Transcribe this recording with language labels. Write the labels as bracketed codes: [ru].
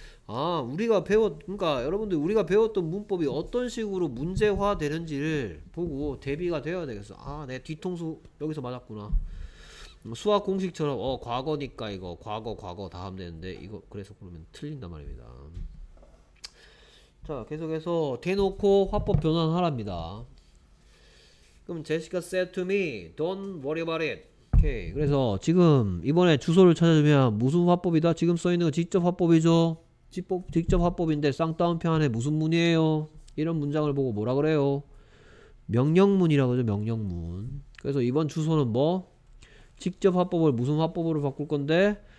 [ko] 아, 그러니까 여러분들 우리가 배웠던 문법이 어떤 식으로 문제화 되는지를 보고 대비가 되어야 되겠어. 아, 내 뒤통수 여기서 맞았구나. 수학 공식처럼 과거니까 이거 과거 다 하면 되는데 이거 그래서 그러면 틀린단 말입니다. 자, 계속해서 대놓고 화법 변환하랍니다. 그럼 [en] 제시카 said to me, don't worry about it. [ko] 오케이. 그래서 지금 이번에 주소를 찾아주면 무슨 화법이다? 지금 써 있는 거 직접 화법이죠? 직접 화법인데 쌍따옴표 안에 무슨 문이에요? 이런 문장을 보고 뭐라 그래요? 명령문이라고 하죠, 명령문. 그래서 이번 주소는 뭐? 직접 화법을 무슨 화법으로 바꿀 건데?